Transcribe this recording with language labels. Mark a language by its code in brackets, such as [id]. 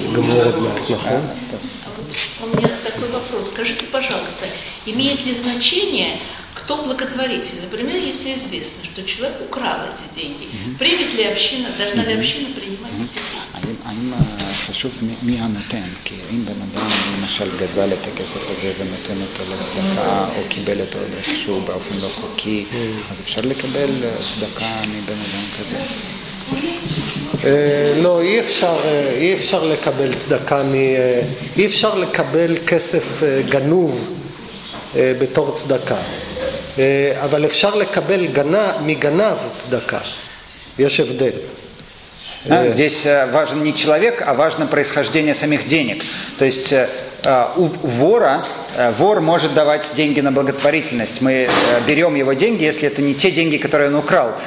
[ru] У меня такой вопрос. Скажите, пожалуйста, имеет ли значение, кто благотворитель? Например, если известно, что человек украл эти деньги, примет ли община, должна ли община принимать эти деньги? [he] חשוב מי הנותן, כי אם בן אדם למשל גזל את הכסף הזה ונותן אותו לצדקה או קיבל אותו איכשהו באופן לא חוקי, אז אפשר לקבל צדקה מבן אדם כזה? לא, אי אפשר לקבל צדקה, אי אפשר לקבל כסף גנוב בתור צדקה, אבל אפשר לקבל מגנב צדקה, יש הבדל. [ru] Здесь важен не человек, а важно происхождение самих денег. То есть у вора, вор может давать деньги на благотворительность. Мы берем его деньги, если это не те деньги, которые он украл.